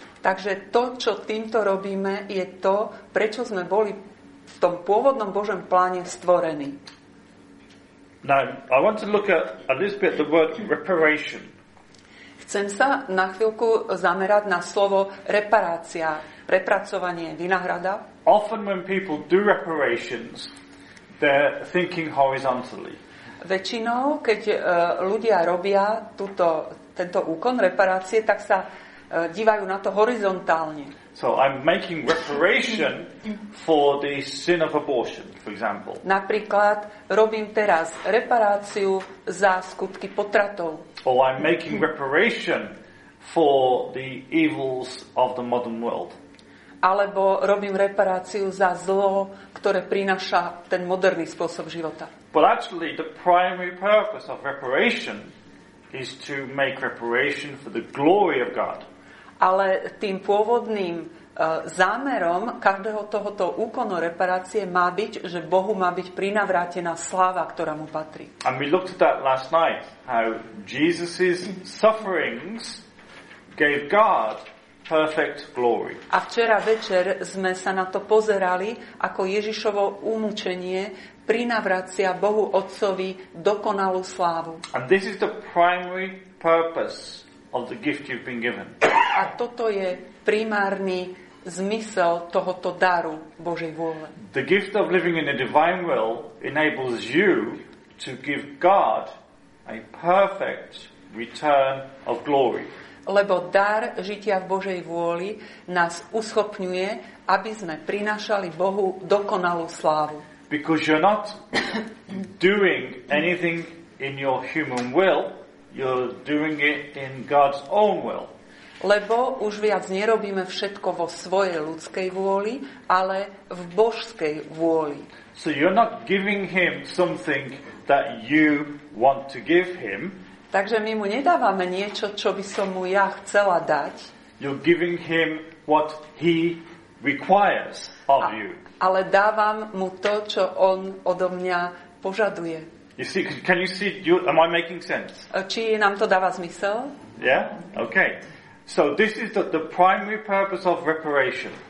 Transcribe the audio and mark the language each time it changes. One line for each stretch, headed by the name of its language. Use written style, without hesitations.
Slovak: Takže to, čo týmto robíme, je to, prečo sme boli v tom pôvodnom Božom pláne stvorení.
English: Now, I want to look at a little bit the word reparation.
Slovak: Chcem sa na chvíľku zamerať na slovo reparácia, prepracovanie, vynahrada.
English: Often when people do reparations, they're thinking horizontally.
Slovak: Väčšinou, keď ľudia robia tento úkon reparácie, tak sa dívajú na to horizontálne.
English: So I'm making reparation for the sin of abortion, for example.
Slovak: Napríklad, robím teraz reparáciu za skutky potratov.
English: Or I'm making reparation for the evils of the modern world.
Slovak: Alebo robím reparáciu za zlo, ktoré prináša ten moderný spôsob života.
English: But actually the primary purpose of reparation is to make reparation for the glory of God.
Slovak: Ale tým pôvodným zámerom každého tohoto úkonu reparácie má byť, že Bohu má byť prinavrátená sláva, ktorá mu patrí.
English: And we looked at that last night, how Jesus' sufferings gave God perfect glory.
Slovak: A včera večer sme sa na to pozerali, ako Ježišovo umučenie prinavracia Bohu Otcovi dokonalú slávu.
English: And this is the primary purpose of the gift you've been given.
Slovak: A toto je primárny zmysel tohoto daru Božej vôle.
English: The gift of living in a divine will enables you to give God a perfect return of glory.
Slovak: Lebo dar žitia v Božej vôli nás uschopňuje, aby sme prinášali Bohu dokonalú slávu.
English: Because you're not doing anything in your human will, you're doing it in God's own will.
Slovak: Lebo už viac nerobíme všetko vo svojej ľudskej vôli, ale v božskej vôli.
English: So you're not giving him something that you want to give him.
Slovak: Takže my mu nedávame niečo, čo by som mu ja chcela dať.
English: You're giving him what he requires of you.
Slovak: Ale dávam mu to, čo on odo mňa požaduje.
English: You see, can you see, am I making sense?
Slovak: Či nám to dáva zmysel?
English: Yeah, okay. So this is the primary purpose of reparation.